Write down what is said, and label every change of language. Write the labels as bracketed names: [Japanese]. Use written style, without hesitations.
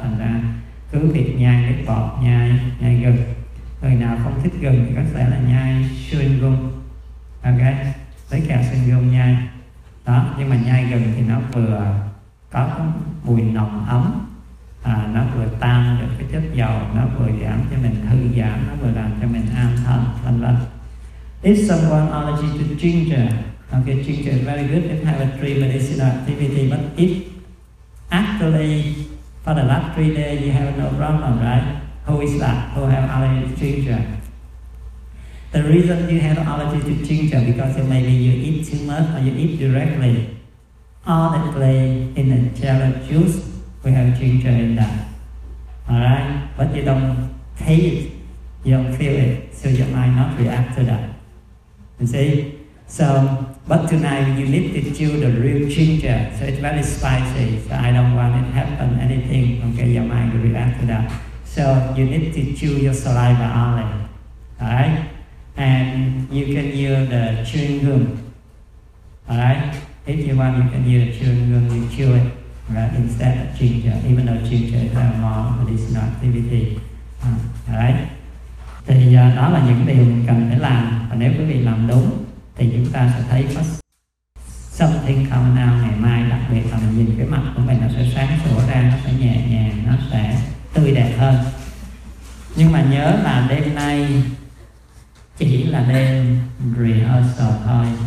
[Vietnamese] Thành ra cứ việc nhai nước bọt, nhai nhai gừng, người nào không thích gừng thì có thể là nhai xuyên gừng, ok, lấy cà xuyên gừng nhai đó. Nhưng mà nhai gừng thì nó vừa có mùi nồng ấm, nó vừa tan được cái chất dầu, nó vừa giảm cho mình thư giãn, nó vừa làm cho mình an thân, vân vân. [English] If someone allergy to ginger, okay, ginger is very good if have a 3 medicinal activity, but if actually for the last 3 days you have no problem, right? Who is that? Who have allergy to ginger? The reason you have allergy to ginger because maybe you eat too much or you eat directly. Honestly, in the jello juice, we have ginger in that. Alright? But you don't taste it, you don't feel it, so you might not react to that. You see? So, but tonight you need to chew the real ginger, so it's very spicy, so I don't want it to happen anything, okay, your mind will react to that. So, you need to chew your saliva only. Alright? And you can use the chewing gum. Alright? If you want, you can use chewing gum, you chew it, right, instead of ginger, even though ginger is a more medicinal activity. Alright? [Vietnamese] Thì đó là những điều mình cần phải làm. Và nếu quý vị làm đúng, thì chúng ta sẽ thấy có [English] something coming out [Vietnamese] ngày mai, đặc biệt là mình nhìn cái mặt của mình nó sẽ sáng sủa ra, nó sẽ nhẹ nhàng, nó sẽ tươi đẹp hơn. Nhưng mà nhớ là đêm nay chỉ là đêm rehearsal thôi.